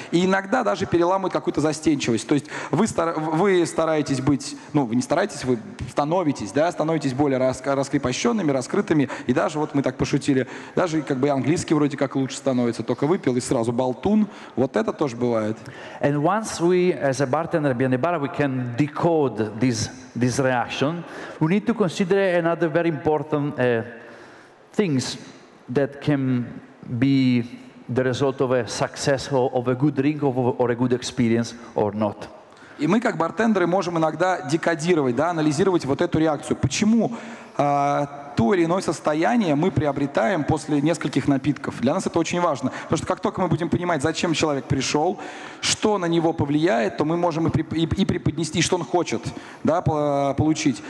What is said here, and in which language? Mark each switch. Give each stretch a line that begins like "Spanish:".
Russian: И иногда даже переламывает какую-то застенчивость. То есть вы стараетесь быть, ну, вы не стараетесь, вы становитесь, да, становитесь более раскрепощенными, раскрытыми. И даже, вот мы так пошутили, даже как бы английский вроде как лучше становится, только выпил и сразу болтун. Вот это тоже бывает.
English: And once we, as a bartender, be in the bar, we can decode this reaction, we need to consider another very important things that can be the result of a success of a good drink or a good experience or not.
Russian: И мы как бартендеры можем иногда декодировать, да, анализировать вот эту реакцию. Почему то или иное состояние мы приобретаем после нескольких напитков? Для нас это очень важно. Потому что как только мы будем понимать, зачем человек пришел, что на него повлияет, то мы можем и преподнести, что он хочет, да, получить.